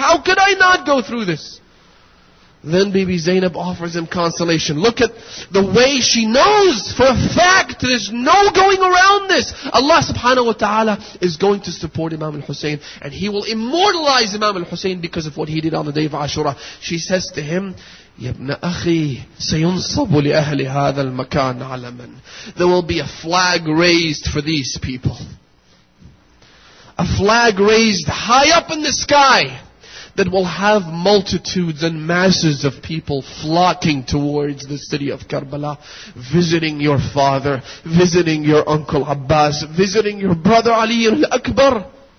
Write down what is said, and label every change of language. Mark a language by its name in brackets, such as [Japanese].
[English] How could I not go through this? Then Bibi Zainab offers him consolation. Look at the way she knows for a fact there's no going around this. Allah subhanahu wa ta'ala is going to support Imam al-Hussein, and he will immortalize Imam al-Hussein because of what he did on the day of Ashura. She says to him, [Arabic] يَبْنَ أَخِي سَيُنصَبُ لِأَهْلِ هَذَا الْمَكَانِ عَلَمًا. [English] There will be a flag raised for these people. A flag raised high up in the sky that will have multitudes and masses of people flocking towards the city of Karbala, visiting your father, visiting your uncle Abbas, visiting your brother Ali al-Akbar.